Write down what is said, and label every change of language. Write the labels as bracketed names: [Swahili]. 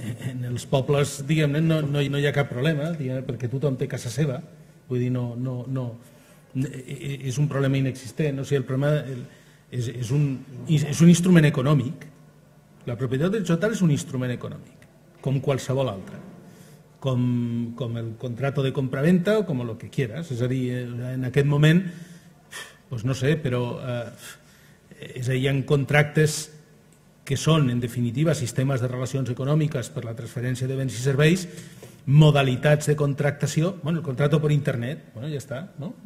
[Catalan] En els pobles, diguem-ne, no hi ha cap problema, diguem-ne, perquè tothom té casa seva. Vull dir, no és un problema inexistent. O sigui, el problema és un instrument econòmic. La propietat horitzontal és un instrument econòmic, com qualsevol altre. [Spanish] Com el contrato de compra-venta o com el que quieras. [Catalan] És a dir, en aquest moment, doncs no sé, però és a dir, hi ha contractes que són, en definitiva, sistemes de relacions econòmiques per la transferència de béns i serveis, modalitats de contractació, bueno, el contrato per internet, bueno, ja està, no?